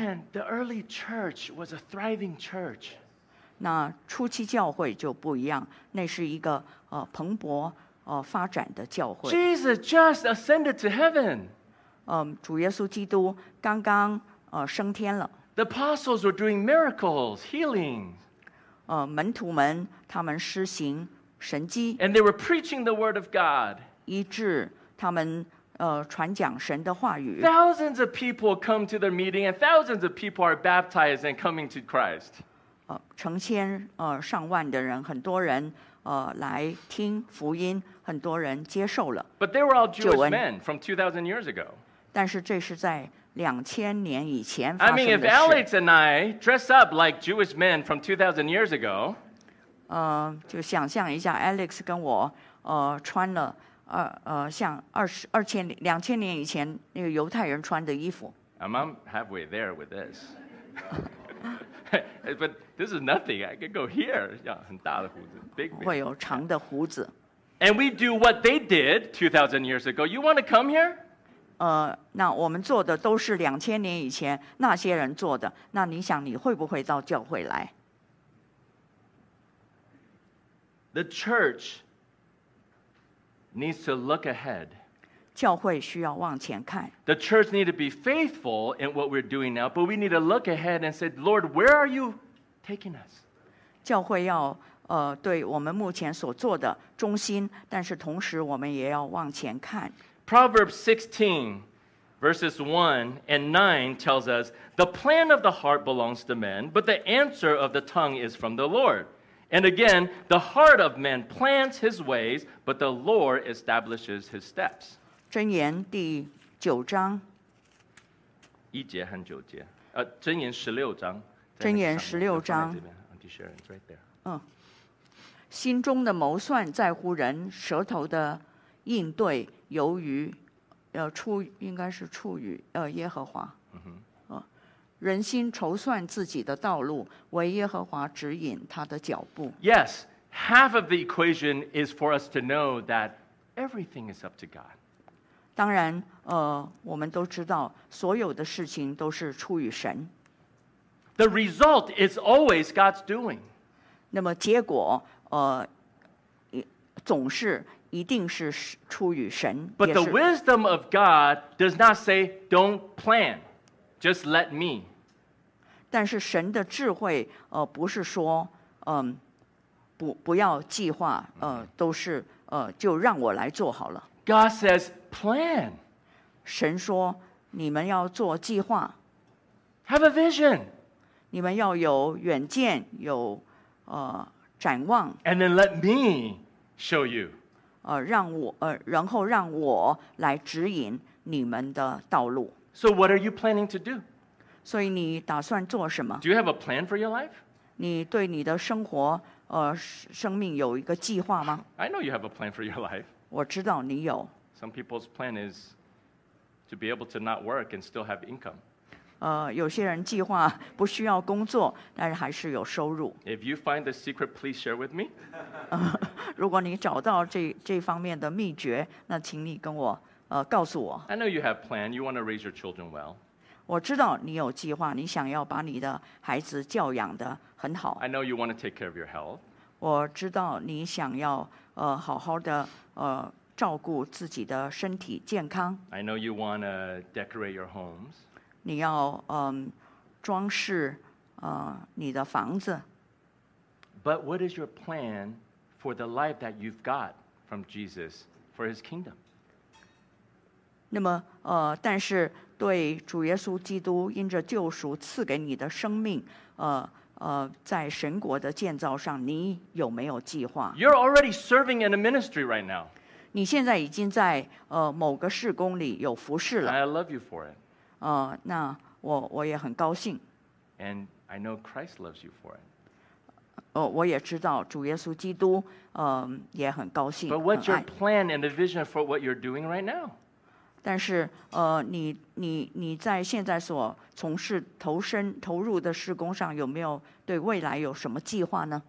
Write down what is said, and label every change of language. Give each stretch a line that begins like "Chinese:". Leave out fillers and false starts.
English: Man, the early church was a thriving church.
Chinese: 那初期教会就不一样，那是一个蓬勃发展的教会。
English: Jesus just ascended to heaven.
Chinese: 主耶稣基督刚刚升天了。
English: The apostles were doing miracles, healing.
Chinese: 门徒们他们施行神迹。
English: And they were preaching the word of God.
Chinese: 医治他们传讲神的话语。
English: Thousands of people come to their meeting, and thousands of people are baptized and coming to Christ.
Chinese: 成千上万的人，很多人来听福音，很多人接受了。
English: But they were all Jewish men from 2,000 years ago.
Chinese: 但是这是在两千年以前发生的事。
English: I mean, if Alex and I dress up like Jewish men from 2,000 years ago,
Chinese: 就想象一下 ，Alex 跟我穿了。像两千年以前那个犹太人穿的衣服。
English: I'm halfway there with this. But this is nothing. I could go here. Yeah,
Chinese: 很大的胡子 big. 会有长的胡子。
English: And we do what they did 2,000 years ago. You want to come here?
Chinese: 那我们做的都是两千年以前那些人做的。那你想你会不会到教会来
English: ？The church. Needs to look ahead.
Chinese: 教会需要往前看。
English: The church needs to be faithful in what we're doing now, but we need to look ahead and say, Lord, where are you taking us?
Chinese: 教会要对我们目前所做的忠心，但是同时我们也要往前看。
English: Proverbs 16, verses 1 and 9 tells us, The plan of the heart belongs to men, but the answer of the tongue is from the Lord. And again, the heart of man plans his ways, but the Lord establishes his steps.
Chinese: 箴言第九章一节和九节，箴言十六章。箴言十六章。第十二章 ，
English: right there。
Chinese: 心中的谋算在乎人，舌头的应对由于，应该是出于耶和华。嗯哼。人心筹算自己的道路，为耶和华指引他的脚步。
English: Yes, half of the equation is for us to know that everything is up to God.
Chinese: 当然，我们都知道，所有的事情都是出于神。
English: The result is always God's doing.
Chinese: 那么结果，总是一定是出于神。
English: But the wisdom of God does not say, "Don't plan." Just let me.
Chinese: 但是神的智慧，不是说，不要计划，都是，就让我来做好了。
English: God says plan.
Chinese: 神说，你们要做计划。
English: Have a vision.
Chinese: 你们要有远见，有，展望。
English: And then let me show you.
Chinese: 让我，然后让我来指引你们的道路。
English: So what are you planning to do?
Chinese: 所以你打算做什么？
English: Do you have a plan for your life?
Chinese: 你对你的生活，生命有一个计划吗？
English: I know you have a plan for your life.
Chinese: 我知道你有。
English: Some people's plan is to be able to not work and still have income.
Chinese: 有些人计划不需要工作，但是还是有收入。
English: If you find the secret, please share with me.
Chinese: 如果你找到这方面的秘诀，那请你跟我。告诉我。
English: I know you have plan. You want to raise your children well.
Chinese: 我知道你有计划，你想要把你的孩子教养得很好。
English: I know you want to take care of your health.
Chinese: 我知道你想要好好的照顾自己的身体健康。
English: I know you want to decorate your homes.
Chinese: 你要装饰你的房子。
English: But what is your plan for the life that you've got from Jesus for His kingdom?
Chinese: 那么但是对主耶稣基督因着救赎赐给你的生命在神国的建造上你有没有计划
English: You're already serving in a ministry right now.
Chinese: 你现在已经在某个事工里有服侍了。
English: I love you for it.
Chinese: 那我也很高兴。
English: And I know Christ loves you for it.
Chinese: 我也知道主耶稣基督也很高兴。
English: But what's your plan and the vision for what you're doing right now?
Chinese: 但是你在现在所从事投入的事工上有没有对未来有什么计划呢